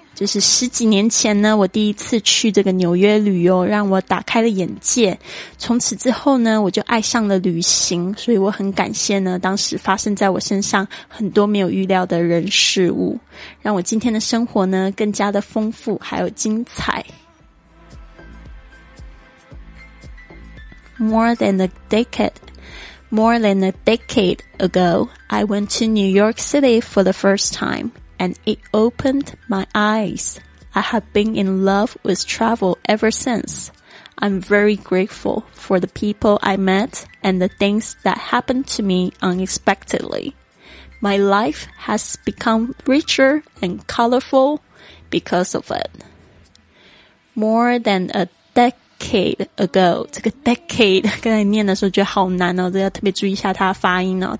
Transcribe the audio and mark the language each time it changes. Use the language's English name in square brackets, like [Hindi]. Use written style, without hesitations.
[Chinese] 就是十几年前呢，我第一次去这个纽约旅游，让我打开了眼界。从此之后呢，我就爱上了旅行，所以我很感谢呢，当时发生在我身上很多没有预料的人事物，让我今天的生活呢，更加的丰富，还有精彩。 [English] More than a decade ago, I went to New York City for the first time. And it opened my eyes. I have been in love with travel ever since. I'm very grateful for the people I met and the things that happened to me unexpectedly. My life has become richer and colorful because of it. More than a decade ago. [Chinese] 这个 decade 刚才念的时候觉得好难哦，这要特别注意一下它的发音哦。